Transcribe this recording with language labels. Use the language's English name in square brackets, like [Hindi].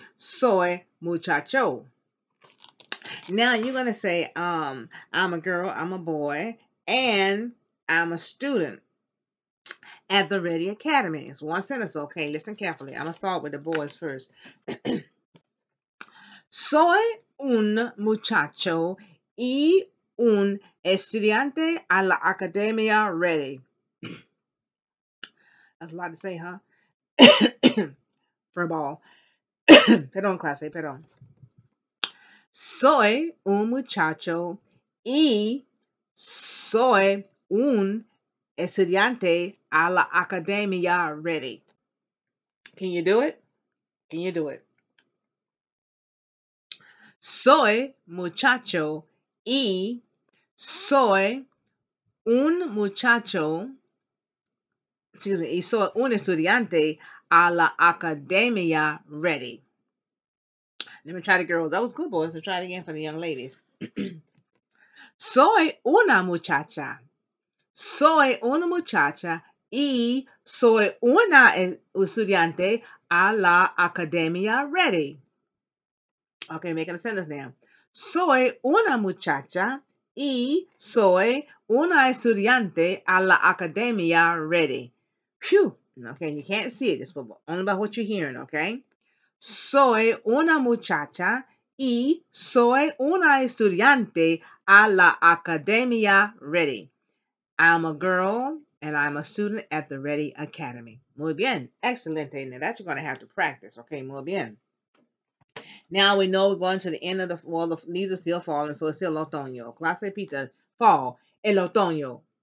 [Spanish] Soy muchacho. [English] Now, you're going to say, I'm a girl, I'm a boy, and I'm a student at the Ready Academy. It's one sentence, okay? Listen carefully. I'm going to start with the boys first. [Spanish] Soy un muchacho y un estudiante a la Academia Ready. [English] That's a lot to say, huh? For a ball. [Spanish] Perdón, clase, perdón. Soy un muchacho y soy un estudiante a la Academia Ready. [English] Can you do it? [Spanish] Can you do it? Soy muchacho y soy un muchacho, [English] excuse me, [Spanish] y soy un estudiante a la Academia Ready. [English] Let me try the girls. That was good, boys. So try it again for the young ladies. [Spanish] Soy una muchacha. Soy una muchacha Y soy una estudiante a la Academia Ready. [English] Okay, making a sentence now. [Spanish] Soy una muchacha y soy una estudiante a la Academia Ready. [English] Phew. Okay, you can't see it. It's only about what you're hearing, okay? [Spanish] Soy una muchacha y soy una estudiante a la Academia Ready. [English] I'm a girl and I'm a student at the Ready Academy. [Spanish] Muy bien. Excelente. [English] Now that you're going to have to practice, okay? [Spanish] Muy bien. [English] Now we know we're going to the end of the fall. The leaves are still falling, so it's still otoño. Clase pita, fall, el otoño.